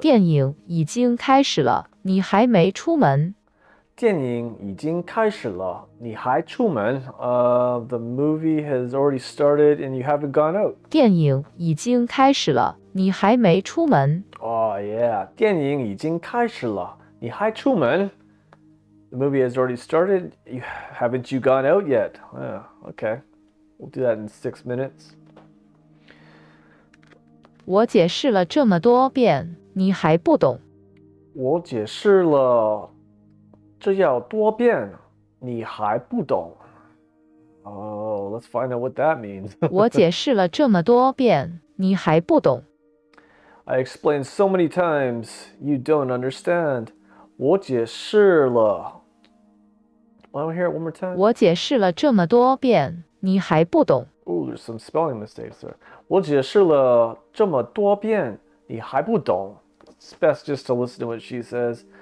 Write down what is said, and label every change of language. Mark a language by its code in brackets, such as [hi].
[zh] 电影已经开始了，你还没出门。电影已经开始了，你还出门？ [en] The movie has already started and you haven't gone out. [zh] 电影已经开始了，你还没出门。 [en] Oh yeah, [zh] 电影已经开始了，你还出门？ [en] The movie has already started. Haven't you gone out yet? Okay, we'll do that in 6 minutes. [zh] 我解释了这么多遍，你还不懂？我解释了。这要多遍，你还不懂？ [en] Oh, let's find out what that means. [zh] 我解释了这么多遍，你还不懂？ [en] I explained so many times, you don't understand. [zh] 我解释了。 [en] Want to hear it one more time? [zh] 我解释了这么多遍，你还不懂？ [en] Ooh, there's some spelling mistakes there. [zh] 我解释了这么多遍，你还不懂？ [en] It's best just to listen to what she says.